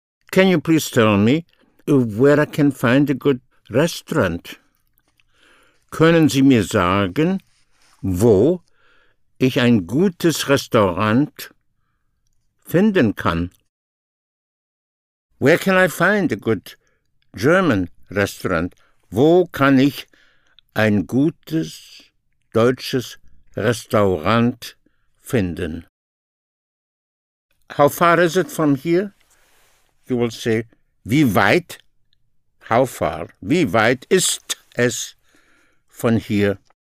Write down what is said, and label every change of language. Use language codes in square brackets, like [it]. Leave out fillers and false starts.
[en] Can you please tell me where I can find a good restaurant? [de] Können Sie mir sagen, wo ich ein gutes Restaurant finden kann? [en] Where can I find a good German restaurant? [de] Wo kann ich ein gutes deutsches Restaurant finden? [en] How far is it from here? You will say, [de] wie weit? [en] How far? [de] Wie weit ist es von hier?